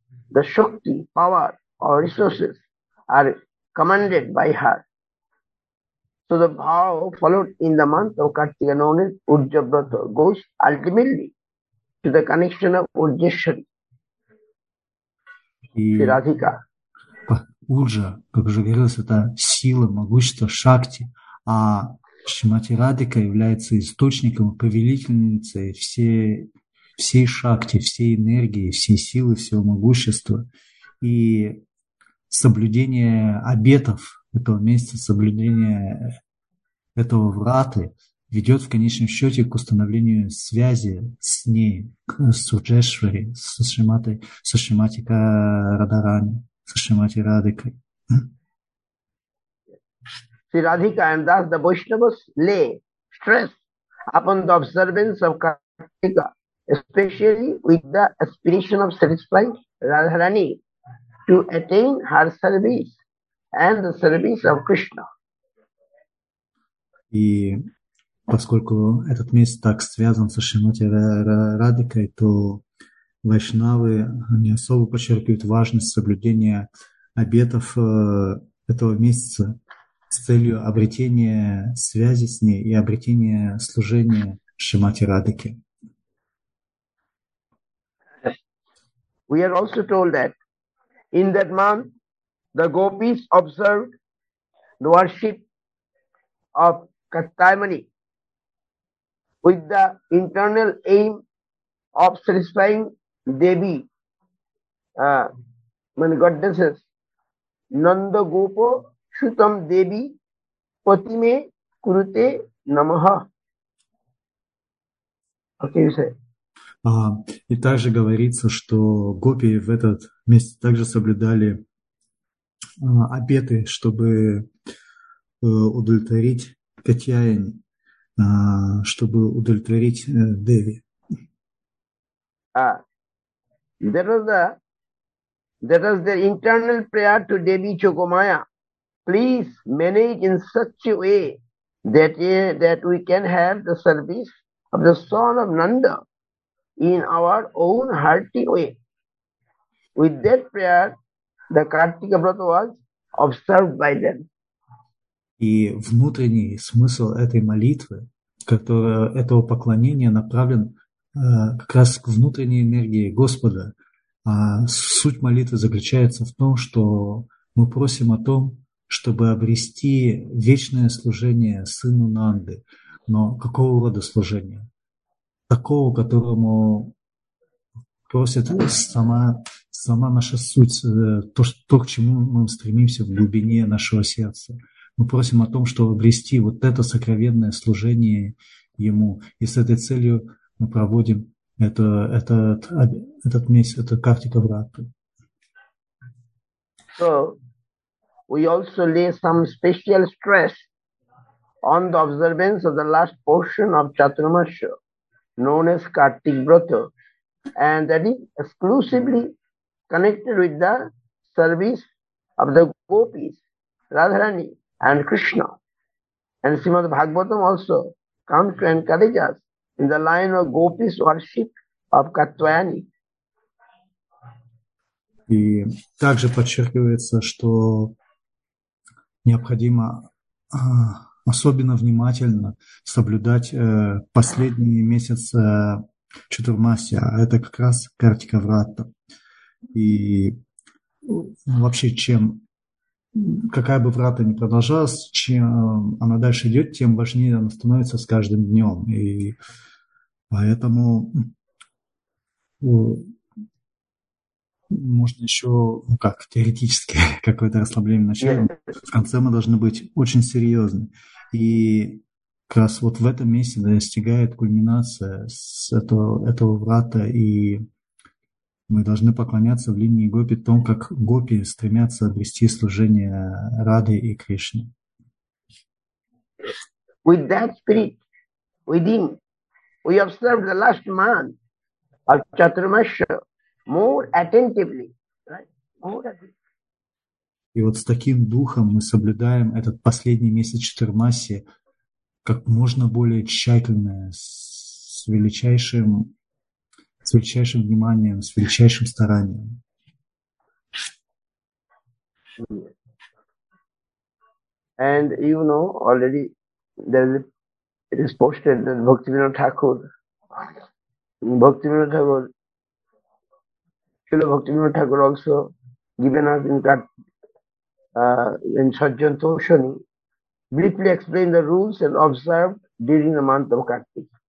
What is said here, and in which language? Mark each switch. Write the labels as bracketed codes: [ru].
[en] The Shakti, power, or resources are commanded by her. So the bhav followed in the month of Kartika known as Urjabrata goes ultimately to the connection of Urjeshwari. Radhika. [ru] Urja, как уже говорилось, это сила, могущество, Шакти. А Шримати Радика является источником, повелительницей всей шакти, всей энергии, всей силы, всего могущества. И соблюдение обетов этого месяца, соблюдение этого враты ведет в конечном счете к установлению связи с ней, с Урджешвари, со Шримати Радарани, со Шримати Радикой. [en] Sri Radhika, and thus the Vaishnavas lay stress upon the observance of Kartika, especially with the aspiration of satisfying Radharani to attain her service and the service of Krishna. [ru] И поскольку этот месяц так связан со Шримати Радикой, то Вайшнавы не особо подчеркивают важность соблюдения обетов этого месяца с целью обретения связи с ней и обретения служения Шримати Радике. [en] We are also told that in that month the gopis observed the worship of Kattayamani with the internal aim of satisfying Devi, many goddesses, [sa] Nanda Gopo Shutam Devi Patime Kurute Namaha. [en] Okay, you say. [ru] И также говорится, что гопи в этот месяц также соблюдали обеты, чтобы удовлетворить Катьяяни, чтобы удовлетворить Деви. [en] That was their internal prayer to Devi Chokomaya. Please manage in such a way that we can have the service of the son of Nanda in our own hearty way. With that prayer, the Kartika Vrata was observed by them. [ru] И внутренний смысл этой молитвы, которая, этого поклонения направлен как раз к внутренней энергии Господа. А суть молитвы заключается в том, что мы просим о том, чтобы обрести вечное служение сыну Нанды. Но какого рода служение? Такого, которому просит сама наша суть, то, к чему мы стремимся в глубине нашего сердца. Мы просим о том, чтобы обрести вот это сокровенное служение ему. И с этой целью мы проводим этот месяц, это Картика Врата. [en] So, we also lay some special stress on the observance of the last portion of Chaturmasya, known as Kartik Vrata, and that is exclusively connected with the service of the gopis, Radharani and Krishna. And Srimad Bhagavatam also comes to encourage us in the line of gopis worship of Katvayani. [ru] И также подчеркивается, что необходимо особенно внимательно соблюдать последний месяц Чатурмасия, а это как раз Картика Врата. И вообще, чем какая бы врата ни продолжалась, чем она дальше идет, тем важнее она становится с каждым днем. И поэтому можно еще, ну как, теоретически какое-то расслабление начать. В конце мы должны быть очень серьезны. И как раз вот в этом месте достигает кульминация с этого врата, и мы должны поклоняться в линии гопи, в том, как гопи стремятся обрести служение Рады и Кришне. [en] With that spirit, within, we observe the last month of Chaturmasya more attentively, right? More attentively. [ru] И вот с таким духом мы соблюдаем этот последний месяц Чатурмаси как можно более тщательно, с величайшим вниманием, с величайшим старанием. [en] And you know already there is posted that Bhaktivinoda Thakur. Srila Bhaktivinoda Thakur also given us in that in Sajjan Toshani, briefly explained the rules and observed during the month of Kartik.